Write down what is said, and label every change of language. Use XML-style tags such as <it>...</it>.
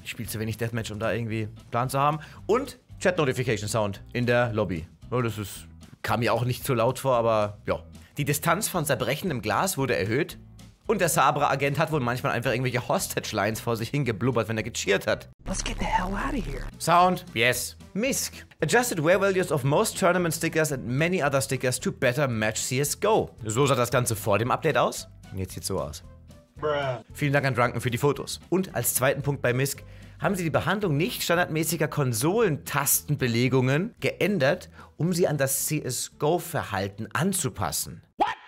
<de>Ich spiele zu wenig Deathmatch, um da irgendwie Plan zu haben. Und Chat-Notification-Sound in der Lobby. Ja, das ist, kam ja auch nicht zu laut vor, aber ja. Die Distanz von zerbrechendem Glas wurde erhöht. Und der Sabra-Agent hat wohl manchmal einfach irgendwelche Hostage-Lines vor sich hingeblubbert, wenn er gecheert hat.</de> <en>Let's get the hell out of here. Sound, yes. Misk. Adjusted wear values of most tournament stickers and many other stickers to better match CSGO.</en> <de>So sah das Ganze vor dem Update aus. Und jetzt sieht es so aus. Bruh. Vielen Dank an Drunken für die Fotos. Und als zweiten Punkt bei Misk. Haben sie die Behandlung nicht standardmäßiger Konsolentastenbelegungen geändert, um sie an das CSGO-Verhalten anzupassen?</de> <en>What?</en>